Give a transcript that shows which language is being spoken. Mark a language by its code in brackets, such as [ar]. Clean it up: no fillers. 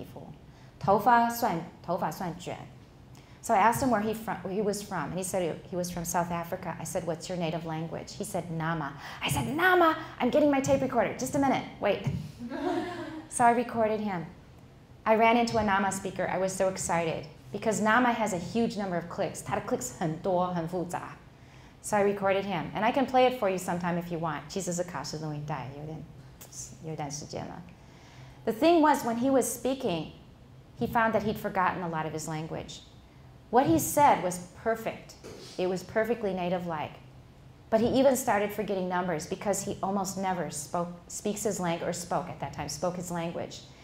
[zh] 就是带有黄色的很浅的咖啡色的皮肤，头发算卷. [en] So I asked him where he was from, and he said he was from South Africa. I said, what's your native language? He said, Nama. I said, Nama, I'm getting my tape recorder. Just a minute, wait. So I recorded him. I ran into a Nama speaker. I was so excited because Nama has a huge number of clicks. [zh] 它的clicks很多很复杂. [en] So I recorded him, and I can play it for you sometime if you want. [zh] 其实是卡斯录音带，有点时间了. [en] The thing was, when he was speaking, he found that he'd forgotten a lot of his language. What he said was perfect. It was perfectly native-like. But he even started forgetting numbers because he almost never spoke his language.